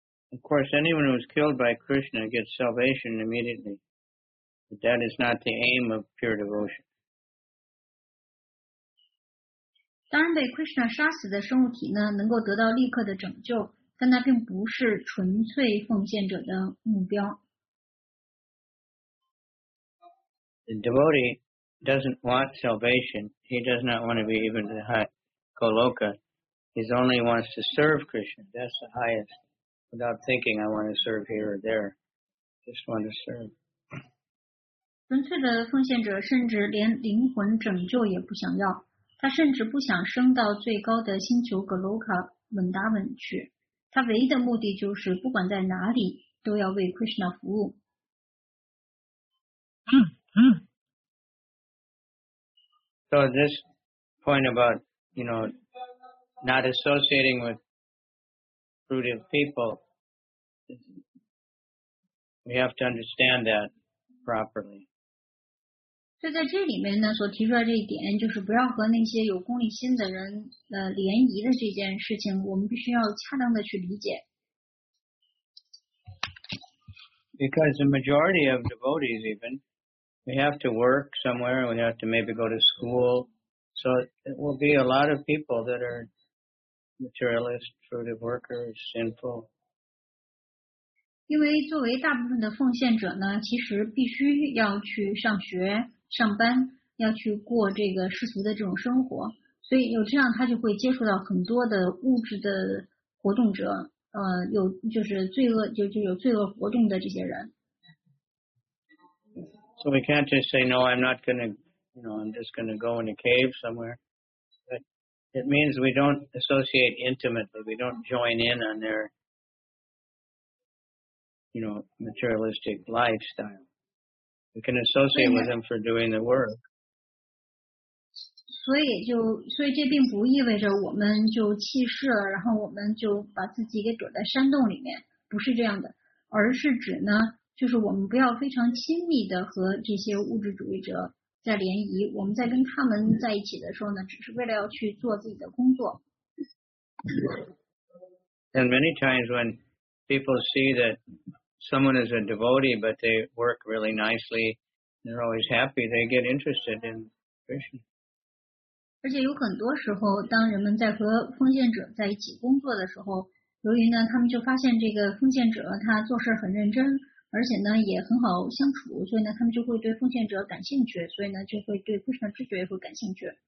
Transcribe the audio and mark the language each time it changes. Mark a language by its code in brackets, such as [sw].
[en] Of course, anyone who is killed by Krishna gets salvation immediately, but that is not the aim of pure devotion. [zh] 当然被 Krishna 杀死的生物体呢，能够得到立刻的拯救，但那并不是纯粹奉献者的目标。 [en] The devotee doesn't want salvation. He does not want to be even the high Goloka. He only wants to serve Krishna. That's the highest. Without thinking, I want to serve here or there. Just want to serve. [zh] 纯粹的奉献者甚至连灵魂拯救也不想要，他甚至不想升到最高的星球格罗卡稳达稳去。他唯一的目的就是不管在哪里都要为 Krishna 服务。 [en] So this point about, you know, not associating with fruit of people. We have to understand that properly. [zh] 所以在这里面呢，所提出来这一点就是不要和那些有功利心的人联谊的这件事情，我们必须要恰当的去理解。 [en] Because the majority of devotees, even, we have to work somewhere, we have to maybe go to school, so it will be a lot of people that are materialist, fruitive workers, sinful. [zh] 因为作为大部分的奉献者呢，其实必须要去上学、上班，要去过这个世俗的这种生活，所以有这样他就会接触到很多的物质的活动者，有就是罪恶，就有罪恶活动的这些人。 [en] So we can't just say no. I'm not going to, you know, I'm just going to go in a cave somewhere. But it means we don't associate intimately. We don't join in on their. You know, materialistic lifestyle. We can associate with them for doing the work. [zh] 所以这并不意味着我们就弃世，然后我们就把自己给躲在山洞里面，不是这样的，而是指呢，就是我们不要非常亲密的和这些物质主义者在联谊。我们在跟他们在一起的时候呢，只是为了要去做自己的工作。 [en] And many times when people see that. Someone is a devotee, but they work really nicely. They're always happy. They get interested in Krishna. [zh] 而且有很多时候，当人们在和奉献者在一起工作的时候，由于呢，他们就发现这个奉献者他做事很认真，而且呢也很好相处，所以呢，他们就会对奉献者感兴趣，所以呢，就会对Krishna知觉也会感兴趣。